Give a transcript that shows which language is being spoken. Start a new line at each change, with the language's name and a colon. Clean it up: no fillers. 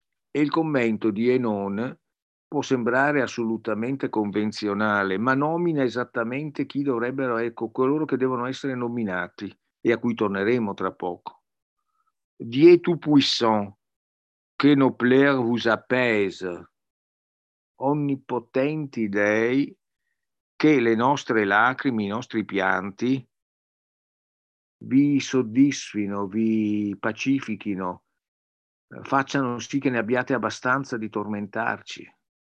Italian: E il commento di Enone può sembrare assolutamente convenzionale, ma nomina esattamente chi dovrebbero, ecco, coloro che devono essere nominati e a cui torneremo tra poco.
French: Dieu tout puissant, que nos pleurs vous apaise.
Italian: Onnipotenti dei, che le nostre lacrime, i nostri pianti vi soddisfino, vi pacifichino, facciano sì che ne abbiate abbastanza di tormentarci.